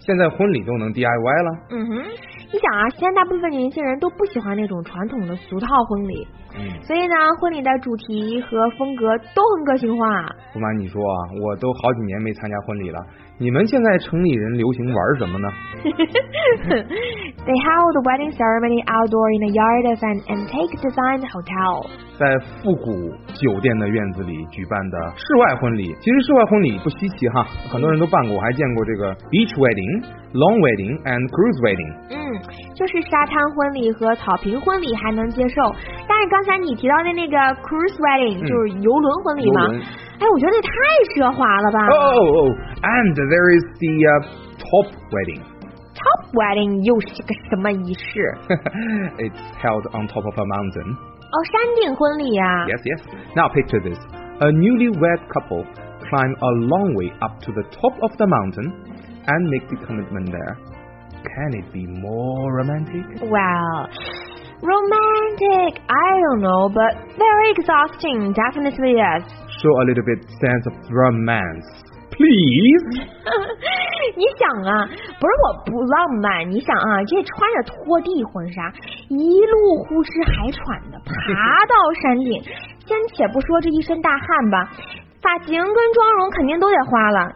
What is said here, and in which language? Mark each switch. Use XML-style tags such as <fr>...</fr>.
<zh>现在婚礼都能 DIY 了。嗯哼，你想啊，现在大部分年轻人都不喜欢那种传统的俗套婚礼。嗯。所以呢，婚礼的主题和风格都很个性化。不瞒你说啊，我都好几年没参加婚礼了。你们现在城里人流行玩什么呢？</zh> <en>They held the wedding ceremony outdoor in a yard of an antique designed hotel.</en> <zh>在复古酒店的院子里举办的室外婚礼，其实室外婚礼不稀奇哈，很多人都办过，我还见过这个</zh> <en>beach wedding, long wedding, and cruise wedding.</en> <zh>嗯，就是沙滩婚礼和草坪婚礼还能接受，但是刚才你提到的那个 cruise wedding 就是游轮婚礼吗？哎，我觉得太奢华了吧。</zh> <en>And there is the top wedding.</en> <zh>Top wedding 又是个什么仪式？</zh> <en>It's held on top of a mountain.</en> <zh>哦，山顶婚礼啊。</zh> <en>Yes, yes. Now picture this. A newlywed couple climb a long way up to the top of the mountain and make the commitment there. Can it be more romantic? Well, romantic, I don't know, but very exhausting, definitely yes. Show a little bit sense of romance, please.</en> <zh>你想啊，不是我不浪漫，你想啊，这穿着拖地婚纱，一路呼哧海喘的爬到山顶，先且不说这一身大汗吧，发型跟妆容肯定都得花了。</zh>